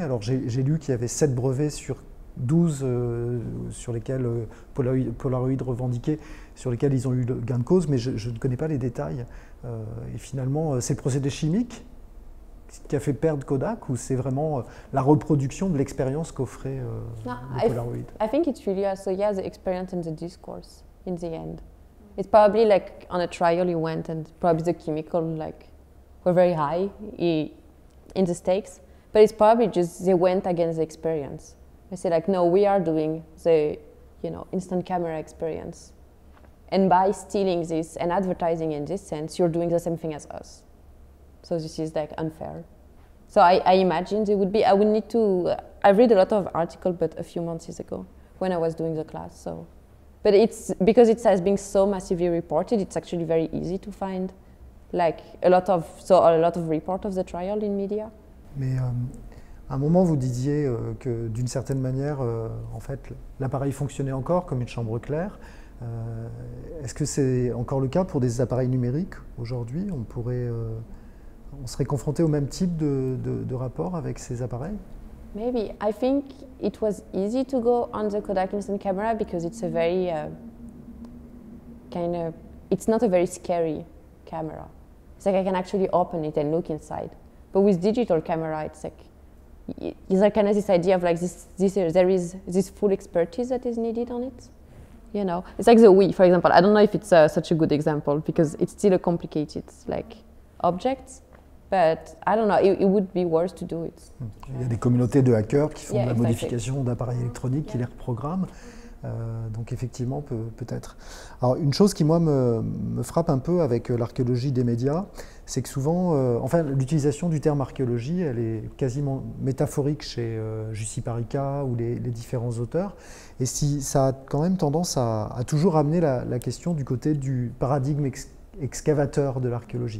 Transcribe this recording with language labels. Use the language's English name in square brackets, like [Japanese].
[French] Alors j'ai lu qu'il y avait 7 brevets sur 12 sur lesquels Polaroid revendiquait, sur lesquels ils ont eu le gain de cause, mais je ne connais pas les détails. Et finalement, c'est le procédé chimique qui a fait perdre Kodak, ou c'est vraiment la reproduction de l'expérience qu'offrait Polaroid? [English] I think it's really also, yeah, the experience and the discourse in the end. It's probably like on a trial you went, and probably the chemical like were very high in the stakes, but it's probably just they went against the experience. I say like, no, we are doing the, you know, instant camera experience. And by stealing this and advertising in this sense, you're doing the same thing as us. So this is like unfair. So I imagine it would be, I would need to, I read a lot of articles, but a few months ago when I was doing the class, so. But it's, because it has been so massively reported, it's actually very easy to find like a lot of report of the trial in media. [French] Mais, à un moment, vous disiez que, d'une certaine manière, en fait, l'appareil fonctionnait encore comme une chambre claire. Est-ce que c'est encore le cas pour des appareils numériques aujourd'hui? On pourrait, on serait confronté au même type de rapport avec ces appareils? [English] Maybe. I think it was easy to go on the Kodak instant camera because it's a very kind of, it's not a very scary camera. It's like I can actually open it and look inside. But with digital camera, it's like, is there kind of this idea of like this there is this full expertise that is needed on it, you know? It's like the Wii, for example. I don't know if it's such a good example because it's still a complicated like object, but I don't know, it would be worse to do it. [French] Il y a des communautés de hackers qui font la modification d'appareils électroniques, qui les reprogramment. Donc effectivement, peut-être. Alors une chose qui moi me frappe un peu avec l'archéologie des médias, c'est que souvent, enfin l'utilisation du terme archéologie, elle est quasiment métaphorique chez Jussi Parika ou les différents auteurs, et si ça a quand même tendance à toujours amener la question du côté du paradigme excavateur de l'archéologie.